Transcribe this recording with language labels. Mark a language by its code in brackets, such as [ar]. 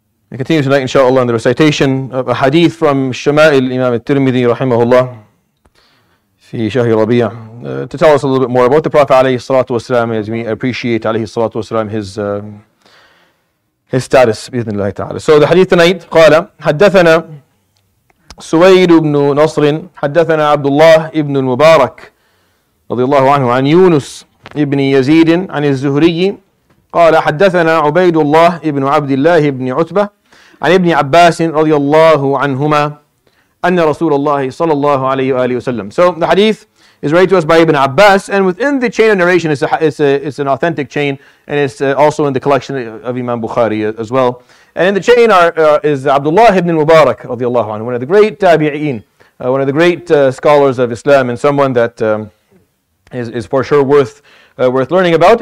[en] We continue tonight, inshallah, in the recitation of a hadith from Shama'il Imam al-Tirmidhi, rahimahullah, fi Shahri Rabi'a, to tell us a little bit more about the Prophet, alayhi salatu wasalam, as we appreciate, alayhi salatu wasalam, his status, [ar] بإذن الله تعالى. [en] So the hadith tonight, [ar] قال, حدثنا سويد بن نصر, حدثنا عبد الله بن المبارك, رضي الله عنه, عن يونس بن يزيد, عن الزهري, قال حدثنا عبيد الله ابن عبد الله ابن عتبة عن ابن عباس رضي الله عنهما أن رسول الله صلى الله عليه وآله وسلم. [en] So the hadith is related to us by Ibn Abbas, and within the chain of narration it's an authentic chain, and it's also in the collection of Imam Bukhari as well. And in the chain is Abdullah ibn Mubarak [ar] رضي الله عنه, [en] one of the great tabi'een, one of the great scholars of Islam, and someone that is for sure worth learning about.